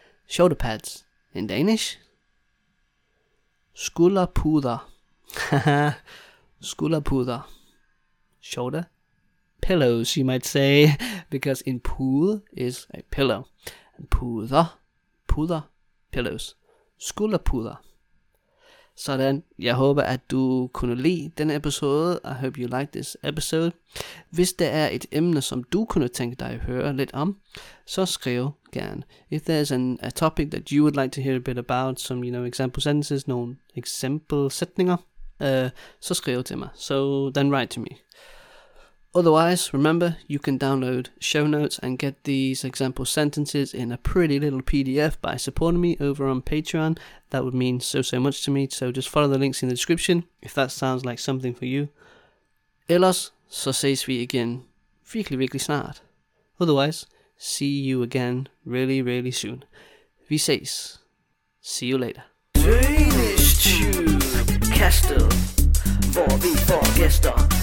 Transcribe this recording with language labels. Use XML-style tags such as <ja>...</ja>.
<en>Shoulder pads in Danish?</en> <da>Skulderpuder. Skulderpuder.</da> <en>Shoulder pillows, you might say, because in pool is a pillow.</en> <da>Puder. Puder.</da> <en>Pillows.</en> <da>Skulderpuder. Sådan, jeg håber, at du kunne lide denne episode.</da> <en>I hope you like this episode.</en> <da>Hvis der er et emne, som du kunne tænke dig at høre lidt om, så skriv gerne.</da> <en>If there's a topic that you would like to hear a bit about, some, you know, example sentences,</en> <da>nogle eksempelsætninger, så skriv til mig.</da> <en>So then write to me. Otherwise, remember, you can download show notes and get these example sentences in a pretty little PDF by supporting me over on Patreon. That would mean so, so much to me. So just follow the links in the description if that sounds like something for you.</en> <da>Ellers, så ses vi igen virkelig, virkelig snart.</da> <en>Otherwise, see you again really, really soon.</en> <da>Vi ses.</da> <en>See you later.</en> <da>Danish Tube Castle, hvor vi får gæster.</da>